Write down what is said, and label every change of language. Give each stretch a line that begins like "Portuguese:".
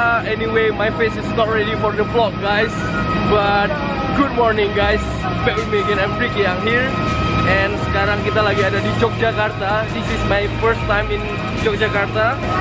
English: Anyway, my face is not ready for the vlog, guys. But good morning, guys. Back with me again, I'm Ricky, I'm here.
Indonesian: And sekarang kita lagi ada di Yogyakarta.
English: This is my first time in Yogyakarta.